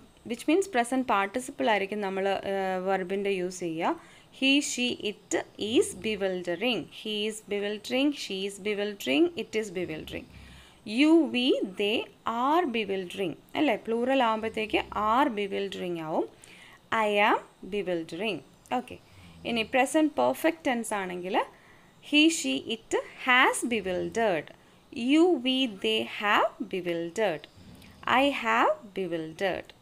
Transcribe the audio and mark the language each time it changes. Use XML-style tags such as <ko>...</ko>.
<en>which means present participle</en> <ml>ആയിരിക്കും നമ്മൾ വെർബിൻ്റെ use ചെയ്യുക.</ml> <en>He, she, it is bewildering. He is bewildering. She is bewildering. It is bewildering. You, we, they are bewildering.</en> <ml>അല്ലേ, plural ആകുമ്പോഴത്തേക്ക് R ബിവിൽഡറിങ് ആവും.</ml> <en>I am bewildering.</en> <ml>Okay, ഇനി present perfect tense ആണെങ്കിൽ</ml> <en>He she it has bewildered. You we they have bewildered. I have bewildered.</en>